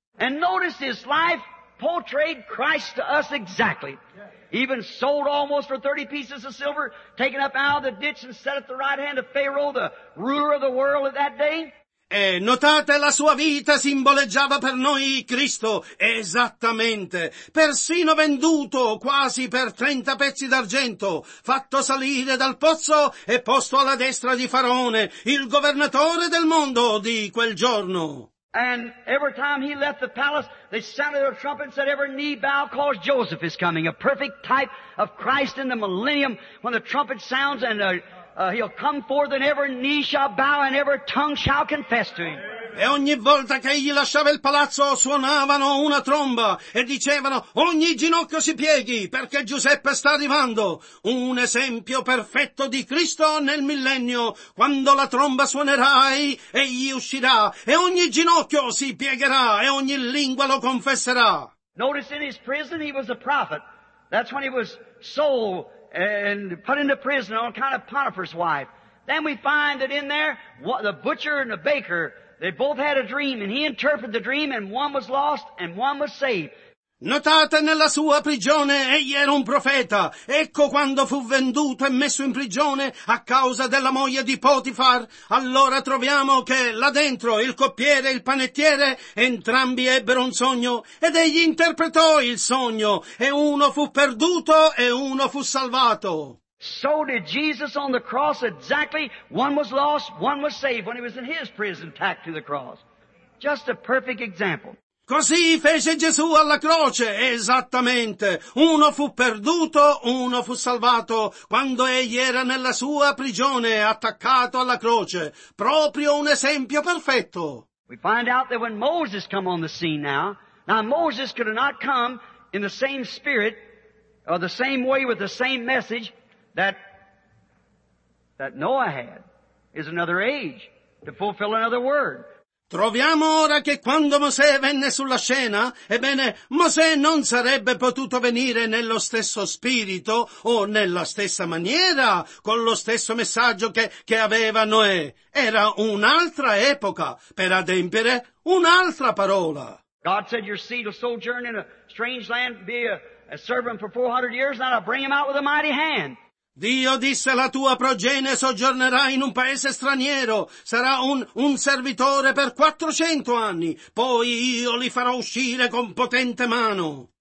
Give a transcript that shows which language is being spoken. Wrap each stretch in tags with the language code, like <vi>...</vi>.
<en>And notice his life portrayed Christ to us exactly. Even sold almost for 30 pieces of silver, taken up out of the ditch and set at the right hand of Pharaoh, the ruler of the world at that day.</en> <it>E notate, la sua vita simboleggiava per noi Cristo, esattamente. Persino venduto quasi per 30 pezzi d'argento, fatto salire dal pozzo e posto alla destra di Faraone, il governatore del mondo di quel giorno.</it> <en>And every time he left the palace, they sounded their trumpet and said, every knee bow, cause Joseph is coming. A perfect type of Christ in the millennium when the trumpet sounds and he'll come forth and every knee shall bow and every tongue shall confess to him.</en> <it>E ogni volta che egli lasciava il palazzo suonavano una tromba e dicevano, ogni ginocchio si pieghi perché Giuseppe sta arrivando. Un esempio perfetto di Cristo nel millennio, quando la tromba suonerà egli uscirà e ogni ginocchio si piegherà e ogni lingua lo confesserà.</it> <en>Notice in his prison he was a prophet. That's when he was sold and put into prison on account of Potiphar's wife. Then we find that in there the butcher and the baker, they both had a dream, and he interpreted the dream, and one was lost, and one was saved.</en> <it>Notate, nella sua prigione, egli era un profeta. Ecco quando fu venduto e messo in prigione a causa della moglie di Potifar. Allora troviamo che là dentro il coppiere e il panettiere entrambi ebbero un sogno, ed egli interpretò il sogno, e uno fu perduto e uno fu salvato.</it> <en>So did Jesus on the cross exactly. One was lost, one was saved when he was in his prison, tacked to the cross. Just a perfect example.</en> <it>Così fece Gesù alla croce, esattamente. Uno fu perduto, uno fu salvato, quando egli era nella sua prigione, attaccato alla croce. Proprio un esempio perfetto.</it> <en>We find out that when Moses come on the scene now Moses could have not come in the same spirit, or the same way with the same message that Noah had, is another age, to fulfill another word.</en> <it>Troviamo ora che quando Mosè venne sulla scena, ebbene, Mosè non sarebbe potuto venire nello stesso spirito o nella stessa maniera con lo stesso messaggio che aveva Noè. Era un'altra epoca per adempiere un'altra parola.</it> <en>God said your seed will sojourn in a strange land, be a servant for 400 years, and I'll bring him out with a mighty hand.</en> <it>Dio disse, la tua progenie soggiornerà in un paese straniero, sarà un servitore per 400 anni, poi io li farò uscire con potente mano.</it>